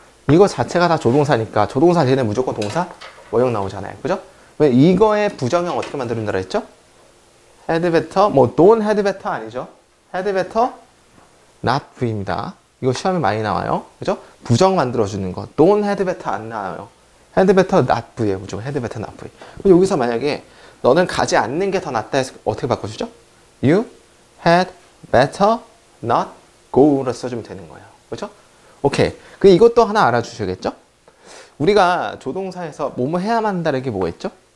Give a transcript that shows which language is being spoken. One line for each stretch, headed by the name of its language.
Korean: 이거 자체가 다 조동사니까 조동사 뒤에는 무조건 동사 원형 나오잖아요. 그죠? 왜 이거의 부정형 어떻게 만들었나 그랬죠?
English: had better 뭐 don't had better
Korean: 아니죠?
English: had better not be입니다.
Korean: 이거 시험에 많이 나와요. 그죠? 부정 만들어 주는 거.
English: don't had better
Korean: 안 나와요.
English: had better not be에
Korean: 무조건
English: had better not be.
Korean: 그럼 여기서 만약에 너는 가지 않는 게 더 낫다 해서 어떻게 바꿔 주죠?
English: you had better not go
Korean: 로 써 주면 되는 거예요. 그죠? 오케이. 그 이것도 하나 알아주셔야겠죠? 우리가 조동사에서 뭐뭐 해야만 한다는 게 뭐가 있죠?